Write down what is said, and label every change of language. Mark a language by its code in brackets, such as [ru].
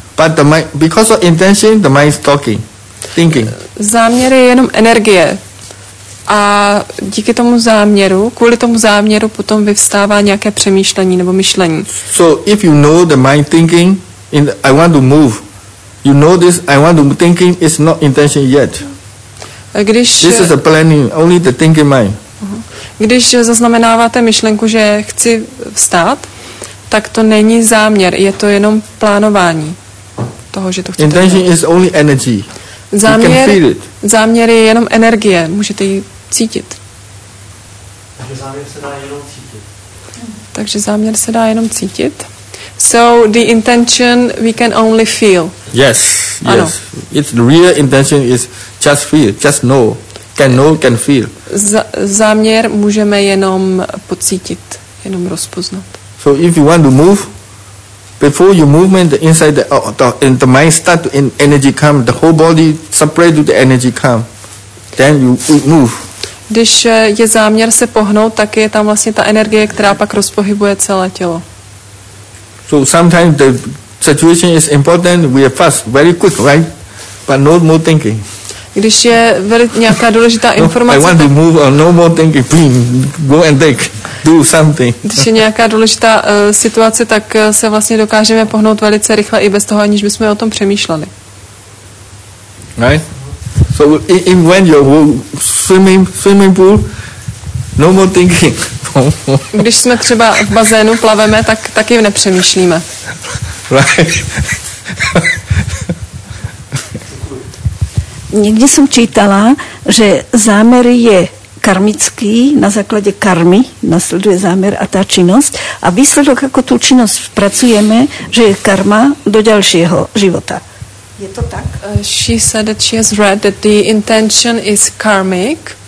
[en] But the mind, because of intention, the mind is talking, thinking. [cs] Záměr je jenom energie. A díky tomu záměru, kvůli tomu záměru potom vyvstává nějaké přemýšlení nebo myšlení. [en] So if you know the mind thinking, I want to move. You know this, I want to thinking is not intention yet. [cs] Když, [en] this is a planning, only the thinking mind. [cs] Když zaznamenáváte myšlenku, že chci vstát, tak to není záměr, je to jenom plánování toho, že to chcete. [en] Intention [cs] dělat. [en] Is only energy. [cs] Záměr, [en] you can feel it. [cs] Záměr je jenom energie, můžete ji cítit. Takže záměr se dá jenom cítit. Takže záměr se dá jenom cítit. [en] So the intention we can only feel. Yes, yes. [cs] Ano. [en] It's the real intention is just feel, just know, can feel. [cs] Záměr můžeme jenom pocítit, jenom rozpoznat. [en] So if you want to move, before you movement the inside the mind start to in energy come, the whole body separate to the energy come, then you move. [cs] Když je záměr se pohnout, tak je tam vlastně ta energie, která pak rozpohybuje celé tělo. [en] So sometimes the situation is important, we are fast, very quick, right? But no more thinking. [cs] Když je nějaká důležitá informace, [en] no, I want to move on, no more thinking, please, go and take, do something. [cs] Když je nějaká důležitá situace, tak se vlastně dokážeme pohnout velice rychle i bez toho, aniž bychom o tom přemýšleli. [en] Right? So even when you're swimming pool, no more thinking. [cs] Když jsme třeba v bazénu plaveme, tak taky nepřemýšlíme. Někdy jsem čítala, že záměr je karmický, na základě karmy nasleduje záměr a ta činnost a výsledok, jako tu činnost pracujeme, že je karma do dalšího života. Je to tak? [en] She said that she has read that the intention is karmic.